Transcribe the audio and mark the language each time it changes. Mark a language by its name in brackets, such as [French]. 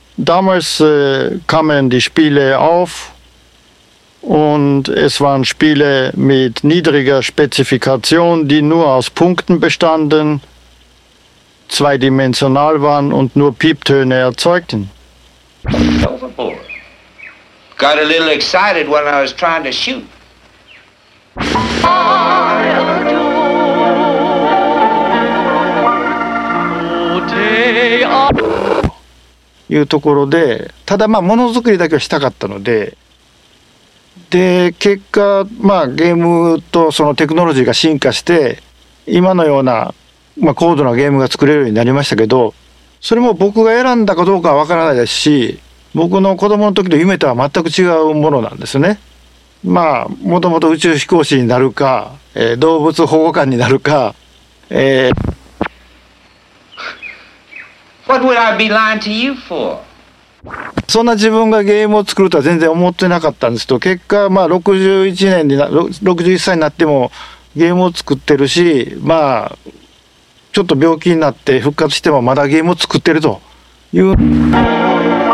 [German] Damals kamen die Spiele auf und es waren Spiele mit niedriger Spezifikation, die nur aus Punkten bestanden. Zweidimensional waren und nur Pieptöne erzeugten. [English] Got a little excited when I was trying to shoot. [Japanese] いうところで、ただまあものづくりだけはしたかったので、で結果まあゲームとそのテクノロジーが進化して今のような。まあ高度なゲームが作れるようになりましたけど、それも僕が選んだかどうかはわからないですし、僕の子供の時の夢とは全く違うものなんですね。まあ、もともと宇宙飛行士になるか、動物保護官になるか、 [English] What would I be lying to you for? [Japanese] そんな自分がゲームを作るとは全然思ってなかったんですけど、結果、まあ61歳になってもゲームを作ってるし、まあ、ちょっと病気になって復活してもまだゲームを作ってるという。